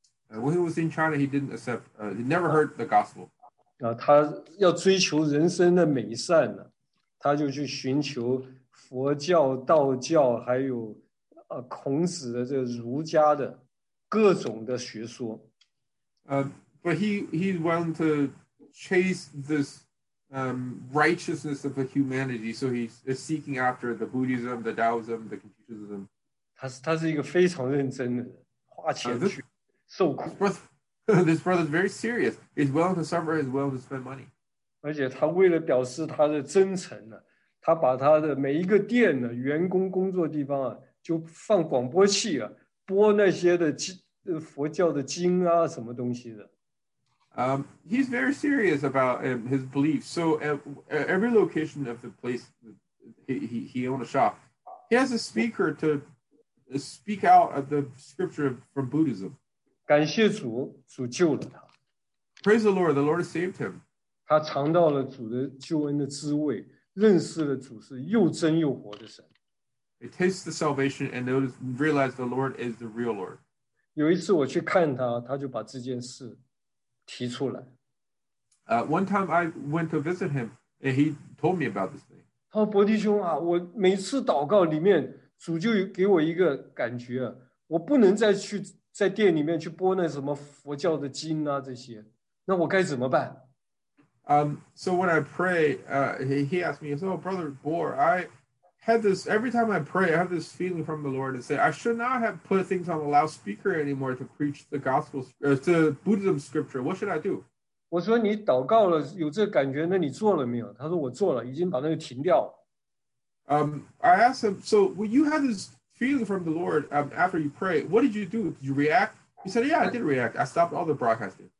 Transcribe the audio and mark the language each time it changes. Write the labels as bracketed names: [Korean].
[English] When he was in China, he didn't accept. He never heard the gospel. [Chinese] 他要追求人生的美善呢，他就去寻求佛教、道教，还有孔子的这个儒家的各种的学说。 [English] But he's willing to chase this. Righteousness of the humanity. So he's seeking after the Buddhism, the Taoism, the Confucianism. [Chinese] 他是一个非常认真的，花钱去受苦。 [English] This brother is very serious. He's willing to suffer. He's willing to spend money. [Chinese] 而且他为了表示他的真诚呢，他把他的每一个店呢，员工工作地方啊，就放广播器啊，播那些的佛教的经啊，什么东西的。 [English] He's very serious about his beliefs. So at every location of the place he owned a shop, he has a speaker to speak out of the scripture from Buddhism. [Chinese] 感谢主，主救了他。 [English] Praise the Lord, the Lord has saved him. [Chinese] 他尝到了主的救恩的滋味，认识了主是又真又活的神。 [English] He tastes the salvation and realized the Lord is the real Lord. [Chinese] 有一次我去看他，他就把这件事提出来。 [English] One time I went to visit him, and he told me about this thing. [Chinese] 他说：“伯弟兄啊，我每次祷告里面，主就给我一个感觉啊，我不能再去在店里面去播那什么佛教的经啊这些，那我该怎么办？” [English] So when I pray, he asked me, "So, Brother Bohr, I had this every time I pray, I have this feeling from the Lord to say I should not have put things on the loudspeaker anymore to preach the gospel, the Buddhism scripture. What should I do?" [Chinese] 我说你祷告了，有这感觉，那你做了没有？他说我做了，已经把那个停掉了。 [English] I asked him, "So, when you had this feeling from the Lord after you pray, what did you do? Did you react?" He said, "Yeah, I did react. I stopped all the broadcasting."